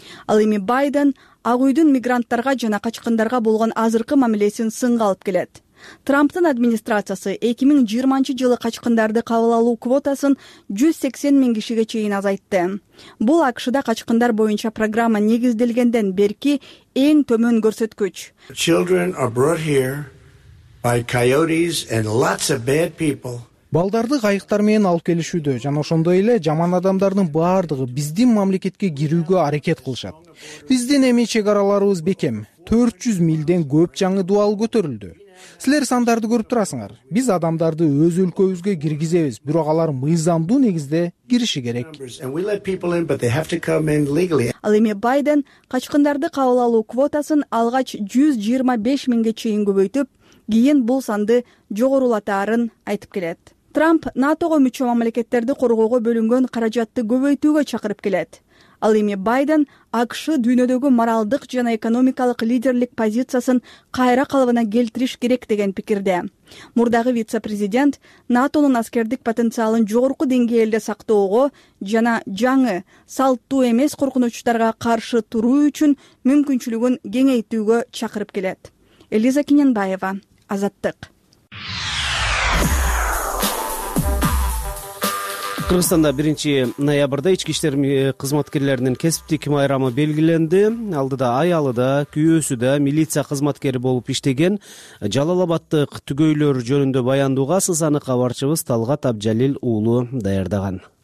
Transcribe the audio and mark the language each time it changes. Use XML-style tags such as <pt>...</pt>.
<ky>Ал эми Байден Ак Үйдүн мигранттарга жана качкындарга болгон азыркы мамилесин сынга алып келет. Трамптын администрациясы 2020 жылы качкындарды кабыл алуу квотасын 180 миң кишиге чейин азайтты. Бул АКШда качкындар боюнча программа негизделгенден берки эң төмөн көрсөткүч.</ky> <en>Children are brought here by coyotes and lots of bad people.</en> <ky>Балдарды кайыктар менен алып келишүүдө жана ошондой эле жаман адамдардын баардыгы биздин мамлекетке кирүүгө аракет кылышат. Биздин эми чек араларыбыз бекем. 400 милден көп жаңы дубал көтөрүлдү. Силер сандарды көрүп турасыңар. Биз адамдарды өз өлкөбүзгө киргизебиз, бирок алар мыйзамдуу негизде кириши керек. Ал эми Байден качкындарды кабыл алуу квотасын алгач 125 миңге чейин көбөйтүп, кийин бул санды жогорулатаарын айтып келет. Трамп НАТОго мүчө мамлекеттерди коргоого бөлүнгөн каражатты көбөйтүүгө чакырып келет. Ал эми Байден АКШ дүйнөдөгү моралдык жана экономикалык лидерлик позициясын кайра калыбына келтириш керек деген пикирде. Мурдагы вице-президент НАТОнун аскердик потенциалын жогорку деңгээлде сактоого жана жаңы салттуу эмес коркунучтарга каршы туруу үчүн мүмкүнчүлүгүн кеңейтүүгө чакырып келет. Элиза Кененбаева, Азаттык. Кыргызстанда 1-ноябрда ички иштер кызматкерлеринин кесиптик майрамы белгиленди. Алдыда аялы да, күйөөсү да милиция кызматкери болуп иштеген Жалал Абаддык түгөйлөр жөнүндө баяндууга Сызаны кабарчыбыз Талгат Абжалил уулу даярдаган.</ky>